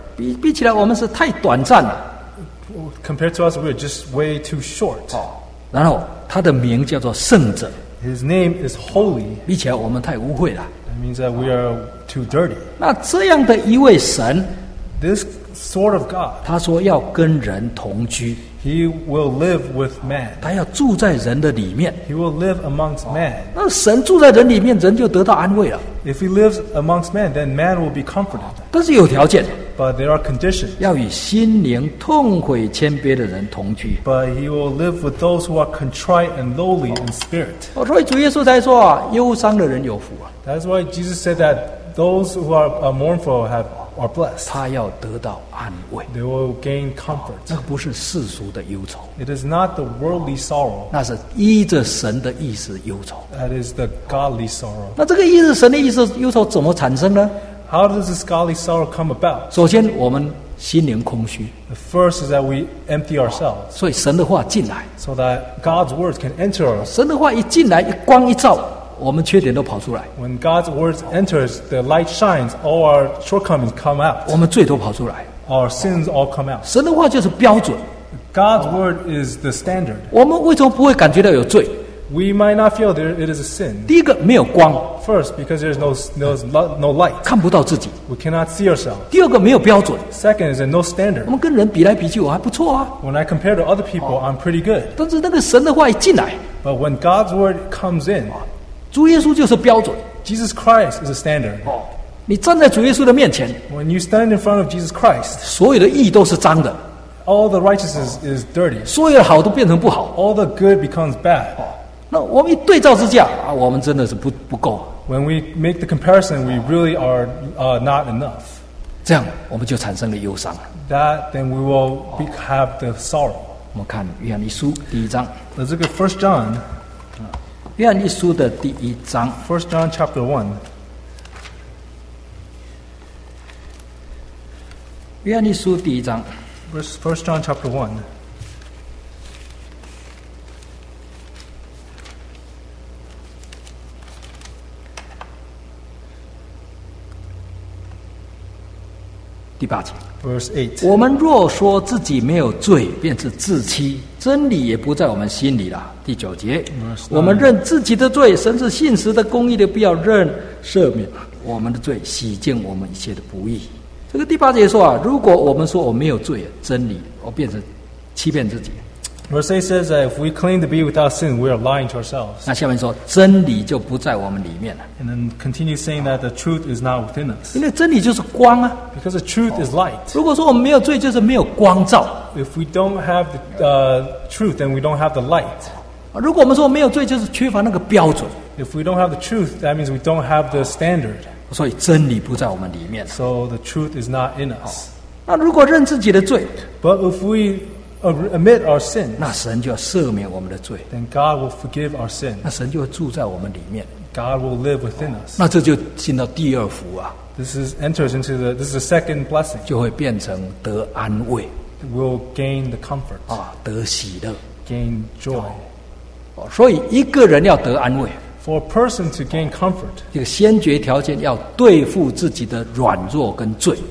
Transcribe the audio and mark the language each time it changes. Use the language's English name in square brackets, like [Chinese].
[Chinese] 比起来我们是太短暂了 [English] Compared to us we are just way too short [Chinese] 然后他的名叫做圣者 [English] His name is holy [Chinese] 比起来我们太污秽了 [English] That means that we are too dirty [Chinese] 那这样的一位神 [English] This sort of God [Chinese] 他说要跟人同居 [English] He will live with man [Chinese] 他要住在人的里面 [English] He will live amongst man [Chinese] 那神住在人里面人就得到安慰了 [English] If he lives amongst men, then man will be comforted. [Chinese] 但是有条件。 [English] But there are conditions. [Chinese] 要与心灵痛悔谦卑的人同居。 [English] But he will live with those who are contrite and lowly in spirit. [Chinese] 所以主耶稣才说忧伤的人有福啊。 [English] That's why Jesus said that those who are mournful have are blessed. [Chinese] 他要得到安慰, [English] they will gain comfort. [Chinese] 那不是世俗的忧愁, [English] it is not the worldly sorrow. [Chinese] 那是依着神的意思忧愁, [English] that is the godly sorrow. [Chinese] 那这个依着神的意思忧愁怎么产生呢? [English] How does this godly sorrow come about? [Chinese] 首先我们心灵空虚, [English] the first is that we empty ourselves. [Chinese] 所以神的话进来, [English] so that God's words can enter us. [Chinese] 神的话一进来, 一光一照, 我们缺点都跑出来, [English] when God's words enters, the light shines, all our shortcomings come out. [Chinese] 我们罪都跑出来, [English] our sins all come out. [Chinese] 神的话就是标准, [English] God's word is the standard. [Chinese] 我们为什么不会感觉到有罪? [English] We might not feel there it is a sin. [Chinese] 第一个没有光, [English] first, because there is no light. [Chinese] 看不到自己, [English] we cannot see ourselves. [Chinese] 第二个没有标准, [English] second, is there no standard. [Chinese] 我们跟人比来比去, 我还不错啊, [English] when I compare to other people, I'm pretty good. [Chinese] 但是那个神的话一进来, [English] but when God's word comes in, [Chinese] 主耶稣就是标准, [English] Jesus Christ is a standard. [Chinese] 你站在主耶稣的面前, [English] when you stand in front of Jesus Christ, [Chinese] 所有的义都是脏的, [English] all the righteousness is dirty. [Chinese] 所有的好都变成不好, [English] all the good becomes bad. [Chinese] 那我们一对照之下, 啊, 我们真的是不够, [English] when we make the comparison, we really are not enough. [Chinese] 这样我们就产生了忧伤, [English] that then we will have the sorrow. [Chinese] 我们看约翰一书第一章, [English] let's look at 1 John. [Chinese] 约翰一书的第一章, [English] 1 John chapter 1. [Chinese] 约翰一书第一章, [English] First John chapter 1. [Chinese] 第八节, [English] verse 8. [Chinese] 我们若说自己没有罪, 便是自欺, 真理也不在我们心里了, 第九节, [English] verse [Chinese] 我们认自己的罪, 神是信实的, 公义的, 必要认赦免 我们的罪, 洗净我们一切的不义, 这个第八节说啊, 如果我们说我没有罪, 真理, 我便是欺骗自己, [English] verse 8 says that if we claim to be without sin, we are lying to ourselves. [Chinese] 那下面说, 真理就不在我们里面了, [English] and then continue saying that the truth is not within us. [Chinese] 因为真理就是光啊, [English] because the truth is light. [Chinese] 如果说我们没有罪就是没有光照, [English] if we don't have the truth, then we don't have the light. [Chinese] 如果我们说我们没有罪就是缺乏那个标准, [English] if we don't have the truth, that means we don't have the standard. [Chinese] 所以真理不在我们里面了, [English] so the truth is not in us. [Chinese] 那如果认自己的罪, [English] but if we admit our sins, [Chinese] 那神就要赦免我们的罪, [English] then God will forgive our sins. [Chinese] 那神就会住在我们里面, [English] God will live within us. [Chinese] 那这就进到第二福啊, [English] this is the second blessing. [Chinese] 就会变成得安慰, [English] will gain the comfort. [Chinese] 啊, 得喜乐, [English] gain joy. [Chinese] 所以一个人要得安慰, [English] for a person to gain comfort, [Chinese] 一个先决条件要对付自己的软弱跟罪,